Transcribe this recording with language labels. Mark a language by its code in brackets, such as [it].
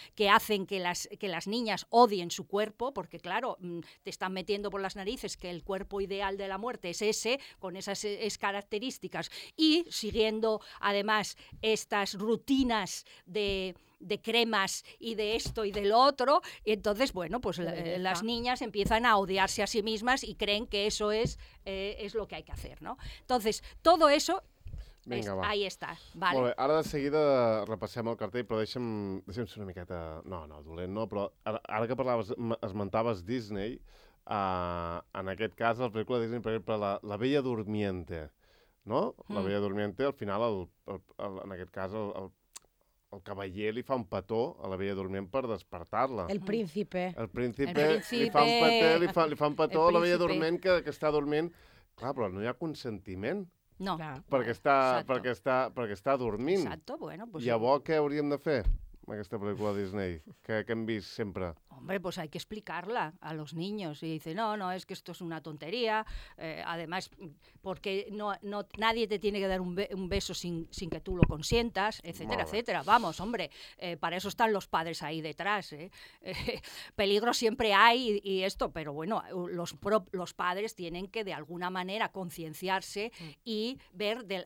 [es] Que hacen que las niñas odien su cuerpo, porque claro, te están metiendo por las narices que el cuerpo ideal de la muerte es ese, con esas características, y siguiendo además estas rutinas de cremas y de esto y del otro, y entonces, bueno, pues las niñas empiezan a odiarse a sí mismas y creen que eso es lo que hay que hacer, ¿no? Entonces, todo eso, ahí está. Vale. [ca] Molt bé, ara de seguida repassem el cartell, però deixa'm ser una miqueta... No, dolent, no, però ara que parlaves, esmentaves Disney, en aquest cas, la pel·lícula de Disney, per exemple, la Bella Durmiente, no? La Bella Durmiente, al final, en aquest cas, el cavaller li fa un petó a la Bella Durmient per despertar-la. [es] El príncipe. [ca] Li fa un petó a la Bella Durmient que està dormint. Clar, però no hi ha consentiment. No. Perquè està dormint. [es] Exacto, bueno. Pues... [ca] Llavors, què hauríem de fer amb aquesta pel·lícula Disney? Que hem vist sempre. [es] Hombre, pues hay que explicarla a los niños. Y dice, no, es que esto es una tontería. Además, porque no nadie te tiene que dar un beso sin que tú lo consientas, etcétera, etcétera. Vamos, hombre, para eso están los padres ahí detrás. Peligro siempre hay y esto, pero bueno, los padres tienen que de alguna manera concienciarse y ver...